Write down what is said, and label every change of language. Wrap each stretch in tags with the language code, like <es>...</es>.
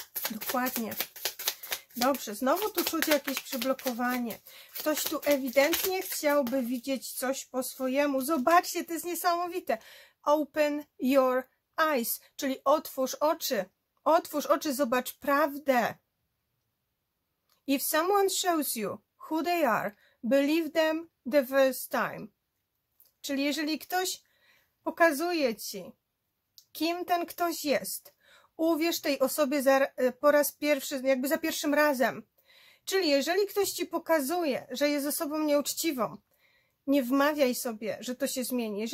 <pl>Dokładnie. Dobrze, znowu tu czuć jakieś przyblokowanie. Ktoś tu ewidentnie chciałby widzieć coś po swojemu. Zobaczcie, to jest niesamowite.</pl> <en>Open your eyes,</en> <pl>czyli otwórz oczy. Otwórz oczy, zobacz prawdę.</pl> <en>If someone shows you who they are, believe them the first time.</en> <pl>Czyli jeżeli ktoś pokazuje ci, kim ten ktoś jest, uwierz tej osobie po raz pierwszy, jakby za pierwszym razem. Czyli jeżeli ktoś ci pokazuje, że jest osobą nieuczciwą, nie wmawiaj sobie, że to się zmieni.</pl>